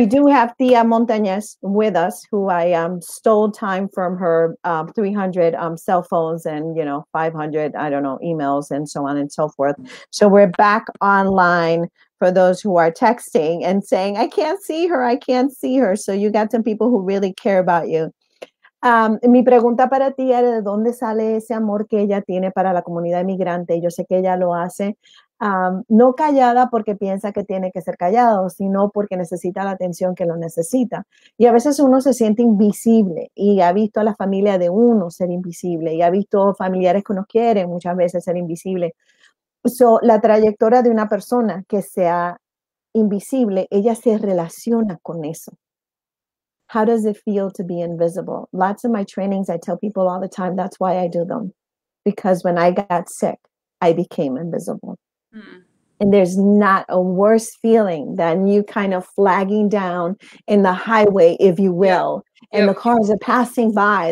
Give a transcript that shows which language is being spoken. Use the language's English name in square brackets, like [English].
[English] we do have Thea Montañez with us, who I stole time from her 300 cell phones and 500, I don't know, emails and so on and so forth. So, we're back online for those who are texting and saying, "I can't see her. I can't see her." So, you got some people who really care about you. [Spanish] Mi pregunta para ti era de dónde sale ese amor que ella tiene para la comunidad inmigrante. Yo sé que ella lo hace, no callada porque piensa que tiene que ser callado, sino porque necesita la atención que lo necesita. Y a veces uno se siente invisible y ha visto a la familia de uno ser invisible y ha visto familiares que nos quieren muchas veces ser invisible. So, la trayectoria de una persona que sea invisible, ella se relaciona con eso. [English] How does it feel to be invisible? Lots of my trainings, I tell people all the time, that's why I do them. Because when I got sick, I became invisible. And there's not a worse feeling than you kind of flagging down in the highway, if you will, and the cars are passing by.